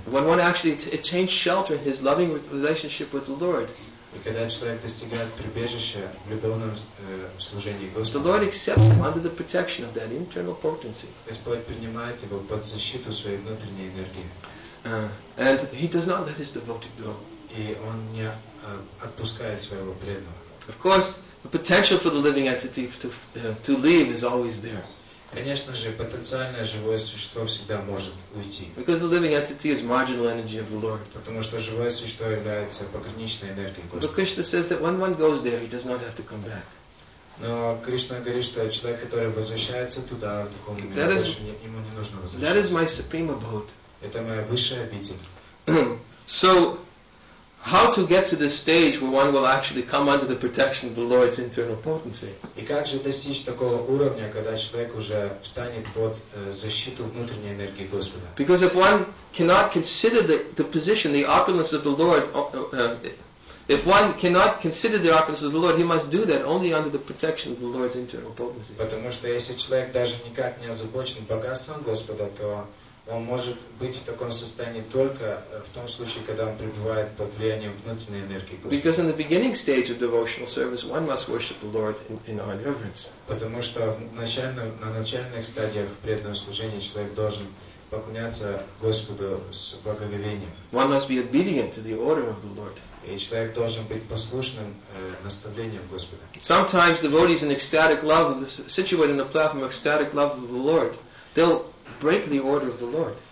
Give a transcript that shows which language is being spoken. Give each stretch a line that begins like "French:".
English: When one actually changes shelter in his loving relationship with the Lord.
Russian: И когда человек достигает прибежища в любовном служении Господу.
English: The Lord accepts him under the protection of that internal potency.
Russian: Господь принимает его под защиту своей внутренней энергии.
English: And he does not let his devotee go.
Russian: И он не отпускает своего преданного.
English: Of course, the potential for the living entity to leave is always there.
Russian: Конечно же, потенциальное живое существо всегда может уйти.
English: Because the living entity is marginal energy of the Lord.
Russian: Потому что живое существо является пограничной энергией Господа.
English: But Krishna says that when one goes there, he does not have to come back.
Russian: Но Кришна говорит, что человек, который возвращается туда, в духовный мир, больше ему не нужно возвращаться.
English: That is my supreme abode.
Russian: Это моя высшая обитель.
English: So, how to get to the stage where one will actually come under the protection of the Lord's internal potency?
Russian: И как же достичь такого уровня, когда человек уже встанет под защиту внутренней энергии Господа?
English: Because if one cannot consider the position, the opulence of the Lord, if one cannot consider the opulence of the Lord, he must do that only under the protection of the Lord's internal potency.
Russian: Потому что если человек даже никак не озабочен богатством Господа, то он может быть в таком состоянии только в том случае, когда он пребывает под влиянием внутренней энергии Господа.
English: Because in the beginning stage of devotional service, one must worship the Lord in all reverence.
Russian: Потому что на начальных стадиях преданного служения человек должен поклоняться Господу с благоговением.
English: One must be obedient to the order of the Lord.
Russian: И человек должен быть послушным наставлением Господа.
English: Sometimes devotees in ecstatic love, situated in the platform of ecstatic love of the Lord, they'll break the order of the Lord.